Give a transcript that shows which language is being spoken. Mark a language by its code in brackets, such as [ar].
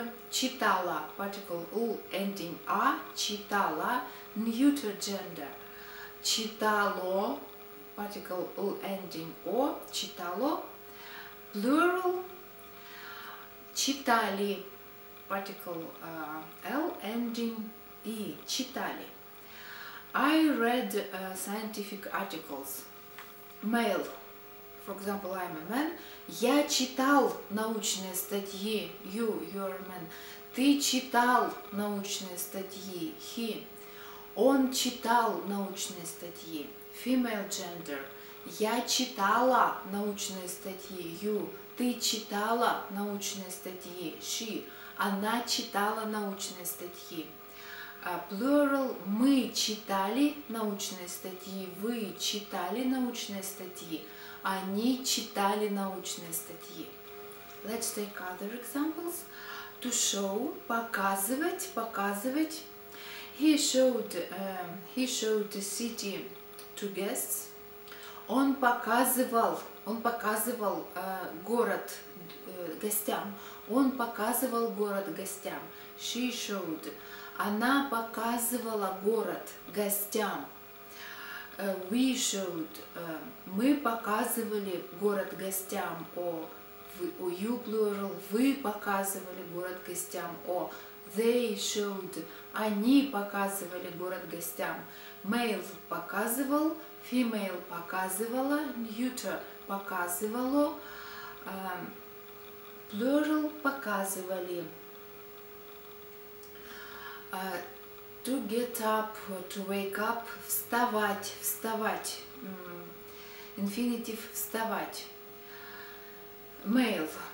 [en] читала, particle ul, ending a, читала, neuter gender, читало, particle ul ending o, читало, plural, читали, particle l ending e, читали. I read scientific articles, male, for example, I'm a man. [ru] Я читал научные статьи, [en] you're a man. [ru] Ты читал научные статьи, he. Он читал научные статьи. [en] Female gender. [ru] Я читала научные статьи. [en] You. [ru] Ты читала научные статьи. [en] She. [ru] Она читала научные статьи. [en] Plural. [ru] Мы читали научные статьи. Вы читали научные статьи. Они читали научные статьи. [en] Let's take other examples. To show. Показывать. He showed the city to guests. [ru] Он показывал город гостям. Он показывал город гостям. [en] She showed. [ru] Она показывала город гостям. [en] We showed. [ru] Мы показывали город гостям. [en] You plural. [ru] Вы показывали город гостям. [en] They showed. [ru] Они показывали город гостям. [en] Male показывал, female показывала, neuter показывало, plural показывали. To get up, to wake up, вставать, infinitive вставать. Male.